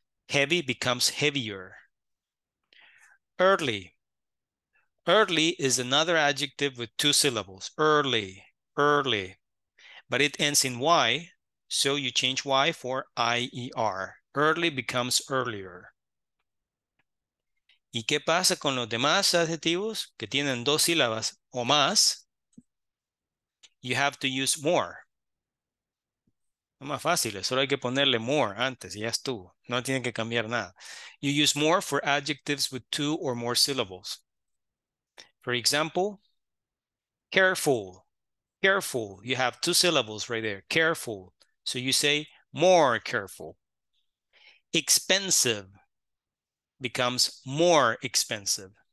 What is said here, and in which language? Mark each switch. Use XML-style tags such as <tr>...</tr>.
<en>Heavy becomes heavier. Early. Early is another adjective with two syllables. Early, early. But it ends in Y, so you change Y for IER. Early becomes earlier.</en> <es>¿Y qué pasa con los demás adjetivos que tienen dos sílabas o más?</es> <en>You have to use more.</en> <es>No más fácil, solo hay que ponerle more antes y ya estuvo. No tiene que cambiar nada.</es> <en>You use more for adjectives with two or more syllables. For example, careful. Careful. You have two syllables right there. Careful. So you say more careful. Expensive becomes more expensive.</en>